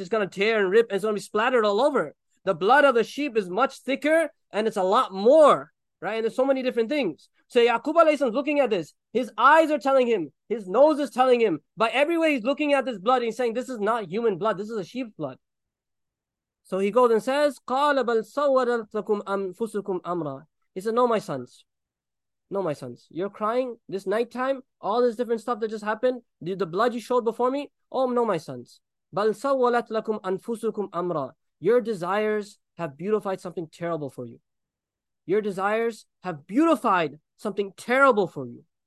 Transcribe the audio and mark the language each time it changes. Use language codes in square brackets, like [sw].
[en] It's going to tear and rip and it's going to be splattered all over. The blood of the sheep is much thicker and it's a lot more, right? And there's so many different things. So Yaqub alayhi salam is looking at this. His eyes are telling him. His nose is telling him. By every way, he's looking at this blood. And he's saying, this is not human blood. This is a sheep blood. So he goes and says, [ar] قَالَ بَلْ سَوَّرَتْ لَكُمْ أَنفُسُكُمْ أَمْرًا. [en] He said, No, my sons. You're crying this nighttime. All this different stuff that just happened. The blood you showed before me. Oh, no, my sons. [ar] بَلْ سَوَّرَتْ لَكُمْ أَنفُسُكُمْ أَمْرًا. [en] Your desires have beautified something terrible for you. Your desires have beautified something terrible for you.